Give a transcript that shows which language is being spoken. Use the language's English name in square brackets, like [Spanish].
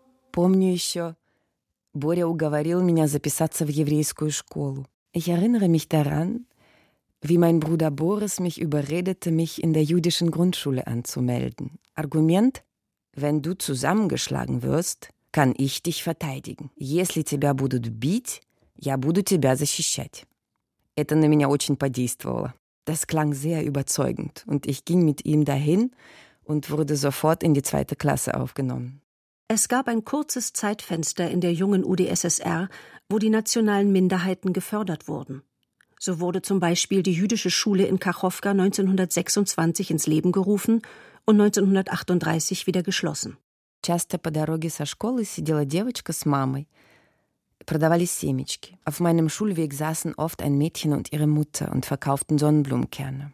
[Russian] Помню еще, Боря уговорил меня записаться в еврейскую школу. [German] Ich erinnere mich daran, wie mein Bruder Boris mich überredete, mich in der jüdischen Grundschule anzumelden. Аргумент: wenn du zusammengeschlagen wirst, kann ich dich verteidigen. [Russian] Если тебя будут бить, я буду тебя защищать. Это на меня очень подействовало. [German] Das klang sehr überzeugend und ich ging mit ihm dahin und wurde sofort in die zweite Klasse aufgenommen. Es gab ein kurzes Zeitfenster in der jungen UdSSR, wo die nationalen Minderheiten gefördert wurden. So wurde zum Beispiel die jüdische Schule in Kachowka 1926 ins Leben gerufen und 1938 wieder geschlossen. [Russian] Часто по дороге со школы сидела девочка с мамой. Продавали семечки. [German] Auf meinem Schulweg saßen oft ein Mädchen und ihre Mutter und verkauften Sonnenblumenkerne.